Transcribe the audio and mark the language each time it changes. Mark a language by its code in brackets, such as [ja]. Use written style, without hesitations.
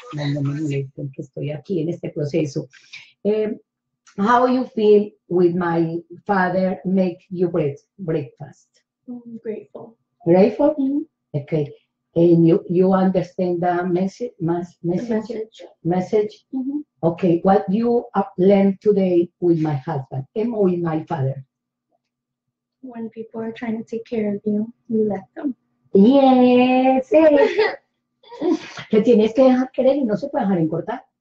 [es] No, no me molesten que estoy aquí en este proceso. [en] How you feel with my father make you breakfast? I'm grateful. Grateful? Mm-hmm. Okay. And you understand the message? Message. Message? Mm-hmm. Okay. What you learned today with my husband and with my father? When people are trying to take care of you, you let them. Yes. [es] Le tienes que dejar querer y no se puede dejar engordar.